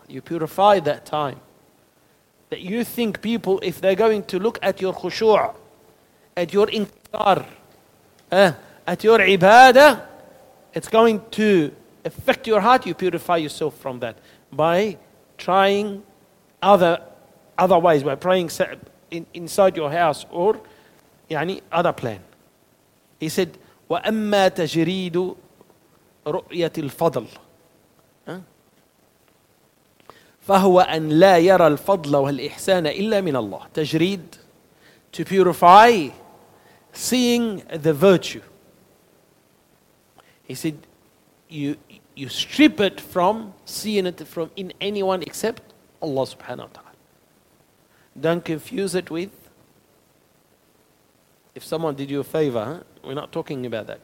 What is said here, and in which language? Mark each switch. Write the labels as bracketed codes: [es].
[en] You purify that time. That you think people, if they're going to look at your khushu', at your inqitar, at your ibadah, it's going to affect your heart, you purify yourself from that by trying other ways, by praying inside your house or يعني, other plan. He said, [ar] وَأَمَّا تَجْرِيدُ رُؤْيَةِ الْفَضْلِ فَهُوَ أَنْ لَا يَرَى الْفَضْلَ وَالْإِحْسَانَ إِلَّا مِنَ اللَّهِ. [en] تجريد, to purify, seeing the virtue. He said, you strip it from seeing it from in anyone except Allah subhanahu wa ta'ala. Don't confuse it with, if someone did you a favor, we're not talking about that.